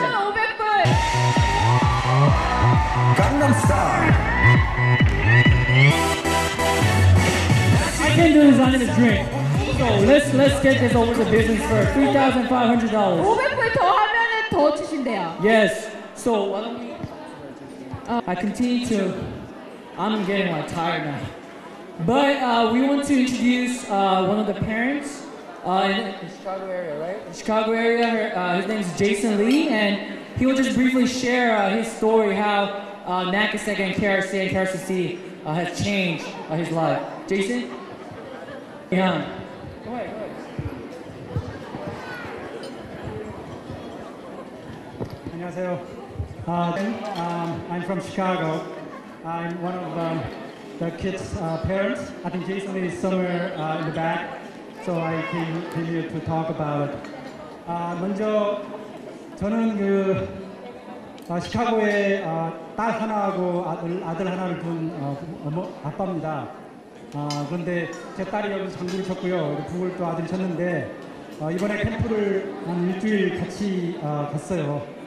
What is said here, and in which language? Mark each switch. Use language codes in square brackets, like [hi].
[en] I can't do this, I need a drink. So let's get this over to business first. $3,500. [ko] 500불 더 하면은 더 주신대요. [en] Yes. So why don't we... I continue to... I'm getting like tired now. But we want to introduce one of the parents In the Chicago area, right? The Chicago area, his name is Jason Lee, and he will just briefly share his story, how NACASAC and KRC and KRCC has changed his life. Jason? Yeah. Go ahead, go ahead. [ko] 안녕하세요. [en] I'm from Chicago. I'm one of the kids' parents. I think Jason is somewhere in the back, so I came here to talk about it. [ko] 먼저 저는 그 시카고에 딸 하나하고 아들 하나를 둔 아빠입니다. 그런데 제 딸이 여기 장군을 쳤고요. 부부를 또 아들 쳤는데 이번에 캠프를 한 일주일 같이 갔어요.